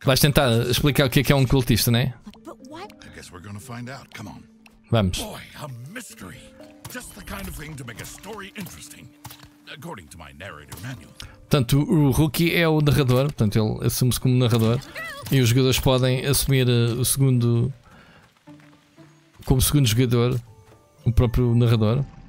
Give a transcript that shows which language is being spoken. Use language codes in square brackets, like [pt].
[pt] Vais tentar explicar o que é um cultista, né? [en] But what? I guess we're gonna find out. Come on. [pt] Vamos. [en] Boy, a mystery. Just the kind of thing to make a story interesting. According to my narrator manual. [pt] Portanto, o Rookie é o narrador, portanto ele assume-se como narrador e os jogadores podem assumir o segundo como segundo jogador o próprio narrador.